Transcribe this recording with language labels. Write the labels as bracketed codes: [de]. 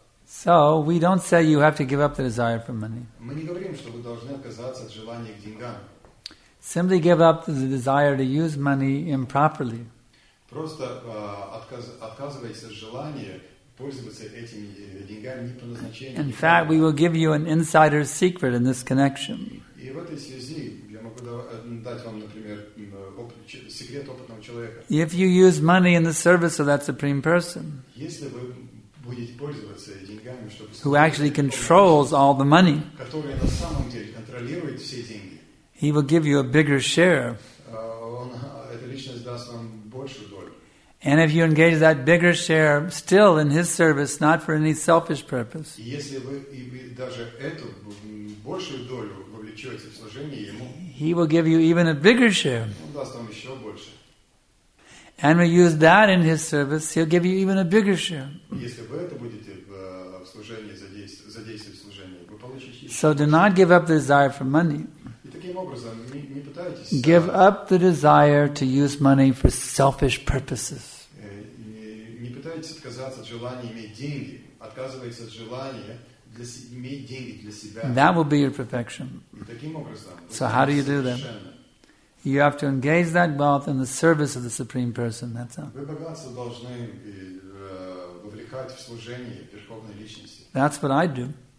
[en] So, we don't say you have to give up the desire for money. [ru] Мы не говорим, что вы должны отказаться от желания к деньгам. [en] Simply give up the desire to use money improperly. [ru] Просто отказывайтесь от желания пользоваться этими деньгами не по назначению. [en] In fact, we will give you an insider's secret in this connection. [ru] И в этой связи я могу дать вам, например, секрет опытного человека. [en] If you use money in the service of that Supreme Person, [ru] если вы будете пользоваться деньгами, чтобы [en] who actually controls all the money, [ru] который на самом деле контролирует все деньги, [en] he will give you a bigger share. [ru] Эта личность даст вам большую долю. [en] And if you engage that bigger share still in his service, not for any selfish purpose, [ru] если вы даже эту большую долю вовлечете в служение ему, [en] he will give you even a bigger share. [ru] Он даст вам еще больше. [en] And we use that in his service, he'll give you even a bigger share. [ru] Если вы это будете в служении задействовать в служении, вы получите. [en] So do not give up the desire for money. [ru] И таким образом, не пытайтесь. [en] Give up the desire to use money for selfish purposes. [ru] Не пытайтесь отказаться от желания иметь деньги. Отказывайтесь от желания иметь деньги для себя. [en] That will be your perfection. [ru] И таким образом. [en] So how do you do that? You have to engage that wealth in the service of the Supreme Person, that's all. That's what I do.